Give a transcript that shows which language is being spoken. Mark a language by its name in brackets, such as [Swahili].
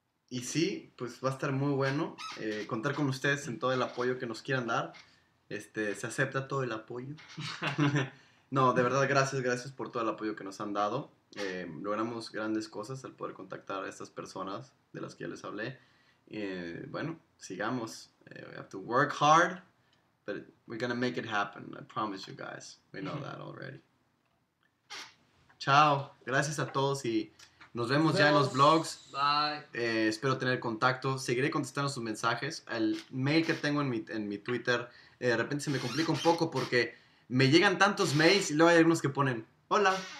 [Spanish] Y sí, pues va a estar muy bueno contar con ustedes en todo el apoyo que nos quieran dar. Se acepta todo el apoyo. No, de verdad, gracias por todo el apoyo que nos han dado. Logramos grandes cosas al poder contactar a estas personas de las que ya les hablé. Bueno, sigamos. [English] We have to work hard, but we're gonna make it happen. I promise you guys. We know that already. Chao. [Spanish] Gracias a todos y nos vemos ya en los vlogs. [English] Bye. [Spanish] Espero tener contacto. Seguiré contestando sus mensajes. El mail que tengo en mi Twitter, de repente se me complica un poco porque me llegan tantos mails y luego hay algunos que ponen, hola.